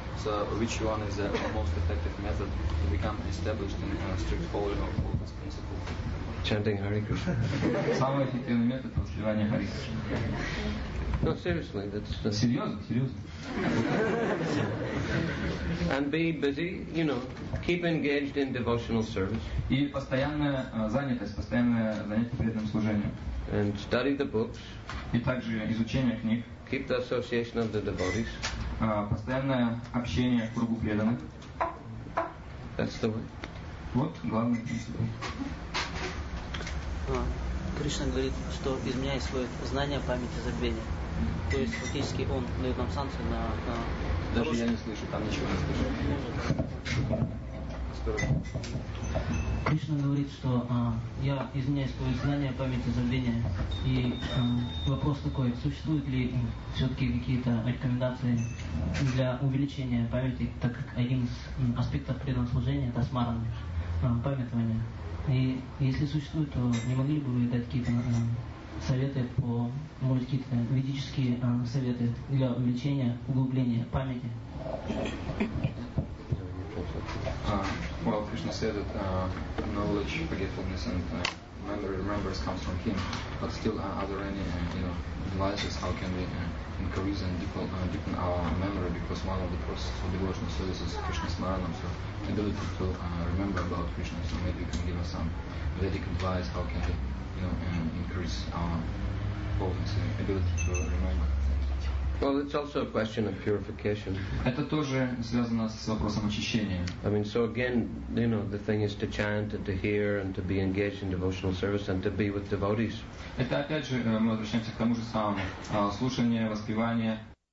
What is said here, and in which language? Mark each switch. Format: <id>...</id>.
<en>So which one is the most effective method to become established in a strict following of all these principles? Chanting Hare Krishna.</en> <ru>Самый эффективный метод воспевания Hare Krishna.</ru> <en>No, seriously, that's just...</en> <ru>Серьезно.</ru> <en>And be busy, you know, keep engaged in devotional service.</en> <ru>И постоянная занятость, постоянное занятие преданным служением.</ru> <en>And study the books.</en> <ru>И также изучение книг.</ru> <en>Keep the association of the devotees.</en> <ru>Постоянное общение в кругу преданных.</ru> <en>That's the way.</en> <ru>Вот главный принцип. Кришна говорит, что изменяет свое знание, память и забвение. То есть фактически он дает нам санкцию на... Даже я не слышу, там ничего не слышу. Кришна говорит, что я изменяю свое знание, память и забвение. И вопрос такой, существуют ли все-таки какие-то рекомендации для увеличения памяти, так как один из аспектов преданного служения – это смарана, памятование. И если существует, то не могли бы вы дать какие-то советы по, может, какие-то ведические советы для увеличения, углубления памяти?</ru> <en>Well, Krishna said that knowledge, forgetfulness and memory remembers comes from him. But still, are there any devices how can we increase and deepen our memory? Because one of the processes of devotional service is Krishna's smaranam, so ability to remember about Krishna. So maybe you can give us some Vedic advice how can we increase our ability to remember. Well, it's also a question of purification.</en> <ru>Это тоже связано с вопросом очищения.</ru> <en>I mean, so again, the thing is to chant and to hear and to be engaged in devotional service and to be with devotees.</en> <ru>Это опять же мы возвращаемся к тому же самому: слушание, воспевание,</ru>